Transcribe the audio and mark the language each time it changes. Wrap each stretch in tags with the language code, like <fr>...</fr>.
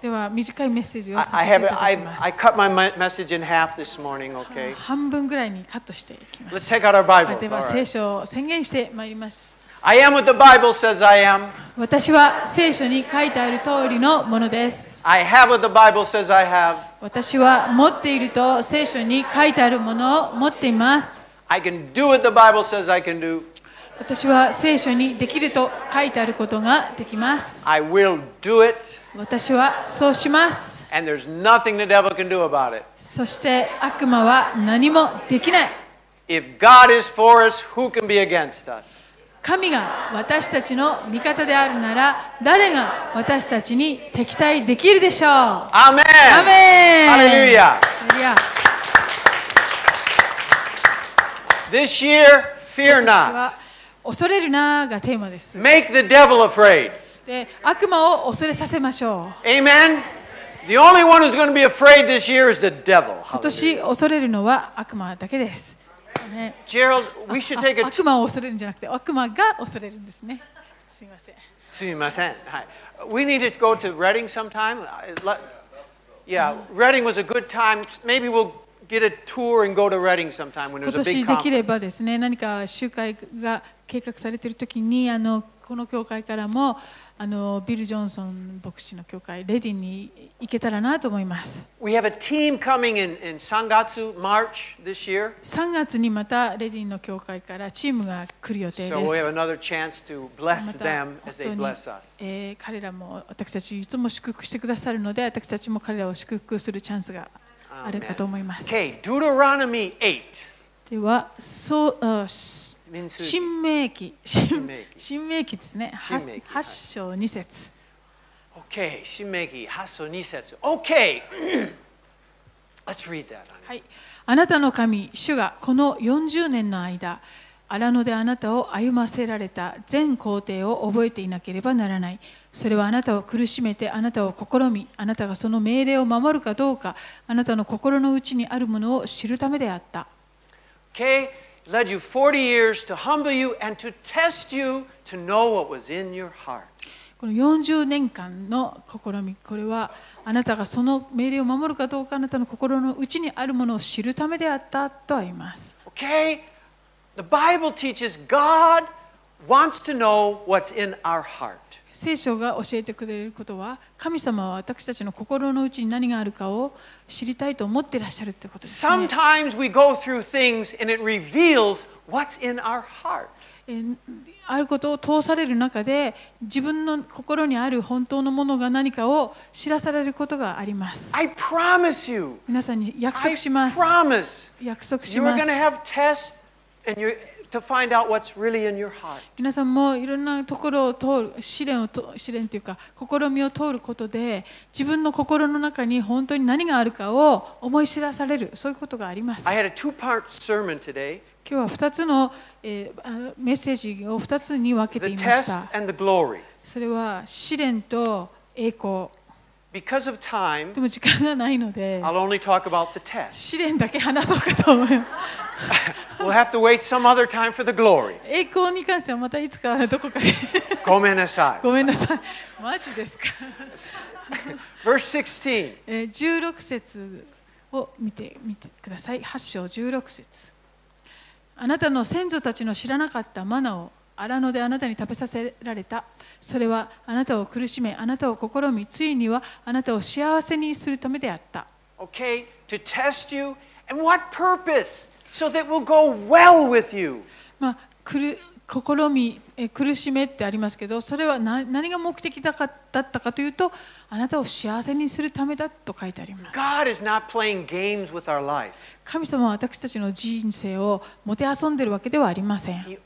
<ja>では短いメッセージをさせていただきます。</ja> <en>I cut my message in half this morning. Okay.</en> <ja>半分ぐらいにカットしていきます。</ja> <en>Let's take out our Bibles.</en> <ja>では聖書を宣言してまいります。</ja> <en>I am what the Bible says I am.</en> <ja>私は聖書に書いてある通りのものです。</ja> <en>I have what the Bible says I have.</en> <ja>私は持っていると聖書に書いてあるものを持っています。</ja> <en>I can do what the Bible says I can do.</en> <ja>私は聖書にできると書いてあることができます。</ja> <en>I will do it.</en> <ja>私はそうします。</ja> <en>And there's nothing the devil can do about it.</en> <ja>そして悪魔は何もできない。</ja> <en>If God is for us, who can be against us?</en> <ja>神が私たちの味方であるなら、誰が私たちに敵対できるでしょう。</ja> <en>Amen. Amen. Hallelujah. Hallelujah. This year, fear not.</en> <ja>恐れるなが テーマです。</ja> <en>Make the devil afraid.</en> <ja>で、悪魔を恐れさせましょう。</ja> <en>Amen. The only one who's going to be afraid this year is the devil.</en> <ja>今年恐れるのは悪魔だけです。</ja> <en>Gerald, we should take a</en> <ja>悪魔を恐れるんじゃなくて、悪魔が恐れるんですね。すみません。すみません。はい。</ja> <en>We need to go to Reading sometime. Yeah, Reading was a good time. Maybe we'll. Get a tour and go to Reading sometime when there's a big conference.</en> <ja>今年できればですね、何か集会が計画されているときに、この教会からも、ビル・ジョンソン牧師の教会、レディに行けたらなと思います。</ja> <en>We have a team coming in 3月、March this year.</en> <ja>3月にまたレディの教会からチームが来る予定です。</ja> <en>So we have another chance to bless them as they bless us.</en> <ja>彼らも私たちいつも祝福してくださるので、私たちも彼らを祝福するチャンスが。あるかと思います。</ja> <en>Okay, Deuteronomy 8.</en> <ja>では、そう、申命記、申命記ですね。八章二節。 Okay, 申命記八章二節。</ja> <en>Okay, let's read that.</en> <ja>はい、あなたの神主がこの40年の間、荒野であなたを歩ませられた全行程を覚えていなければならない。それはあなたを苦しめて、あなたを試み、あなたがその命令を守るかどうか、あなたの心の内にあるものを知るためであった。</ja> <en>Okay, led you 40 years to humble you and to test you to know what was in your heart.</en> <ja>この40年間の試み、これはあなたがその命令を守るかどうか、あなたの心の内にあるものを知るためであったとあります。</ja> <en>Okay, the Bible teaches God wants to know what's in our heart.</en> <ja>聖書が教えてくれることは、神様は私たちの心の内に何があるかを知りたいと思っていらっしゃるということですね。</ja> <en>Sometimes we go through things and it reveals what's in our heart.</en> <ja>あることを通される中で自分の心にある本当のものが何かを知らされることがあります。</ja> <en>I promise you,</en> <ja>皆さんに約束します。</ja> <en>I promise,</en> <ja>約束します。</ja> <en>You are going to have tests and you, to find out what's really in your heart.</en> <ja>皆さんもいろんなところを通る試練を試練というか試みを通ることで自分の心の中に本当に何があるかを思い知らされる、そういうことがあります。</ja> <en>I had a two-part sermon today.</en> <ja>今日は2つの、メッセージを2つに分けていました。それは試練と栄光。</ja> <en>Because of time,</en> <ja>でも時間がないので、</ja> <en>I'll only talk about the test.</en> <ja>試練だけ話そうかと思います。</ja> <en>We'll have to wait some other time for the glory.</en> <ja>栄光に関してはまたいつかどこかで。ごめんなさい。ごめんなさい。マジですか。</ja> <en>Verse 16.</en> <ja>16節を見てください。 8章16節。あなたの先祖たちの知らなかったマナを荒野であなたに食べさせられた。それはあなたを苦しめ、あなたを試み、ついにはあなたを幸せにするためであった。</ja> <en>Okay, to test you, and what purpose? So that will go well with you.</en> <ja>まあ、試み、苦しめってありますけど、それは 何が目的だったかというと、あなたを幸せにするためだと書いてあります。</ja> <en>God is not playing games with our life.</en> <ja>神様は私たちの人生をもてあそんでいるわけではありません。</ja>